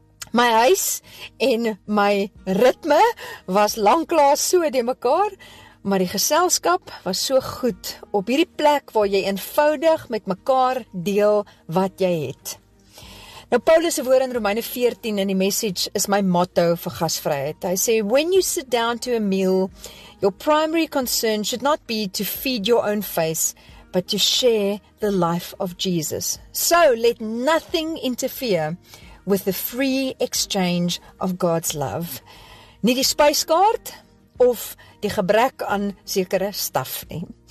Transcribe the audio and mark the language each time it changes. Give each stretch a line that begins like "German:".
Afrikaans: My huis en my ritme was lanklaas so die mekaar, maar die geselskap was so goed op hierdie plek waar jy eenvoudig met mekaar deel wat jy het. Nou Paulus se woord in Romeine 14 in die Message is my motto vir gasvryheid.
English: Hy sê, when you sit down to a meal, your primary concern should not be to feed your own face, but to share the life of Jesus. So let nothing interfere with the free exchange of God's love.
Afrikaans: Nie die spyskaart of die gebrek aan sekere staf nie.